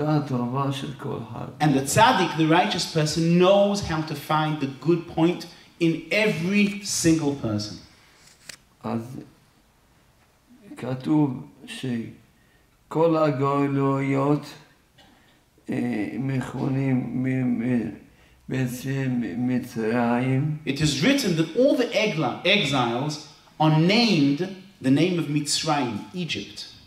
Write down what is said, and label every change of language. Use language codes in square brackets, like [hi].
[en] And the tzaddik, the righteous person, knows how to find the good point in every single person. [he] אז כתוב שכל הגלויות מכונים בעצם מצרים. [en] It is written that all the exiles are named the name of Mitzrayim, Egypt.